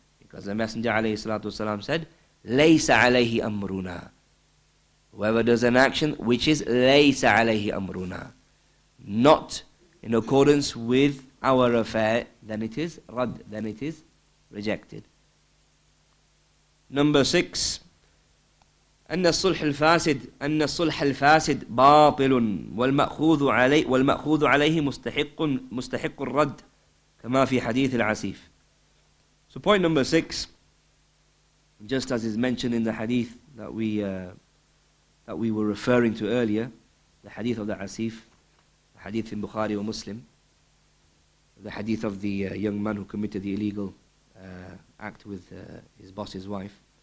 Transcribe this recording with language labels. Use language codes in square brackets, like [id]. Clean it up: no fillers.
[en] Because the Messenger ﷺ said, [ar] لَيْسَ عَلَيْهِ أَمْرُنَا. [en] Whoever does an action which is [ar] لَيْسَ عَلَيْهِ أَمْرُنَا, [en] not in accordance with our affair, then it is رَد, then it is rejected. Number six, [ar] أن الصلح الفاسد باطل والمأخوذ عليه مستحق الرد كما في حديث العسيف. [en] So point number six, Just as is mentioned in the hadith that we were referring to earlier, the hadith of the Asif, the hadith in Bukhari or Muslim, the hadith of the young man who committed the illegal act with his boss's wife.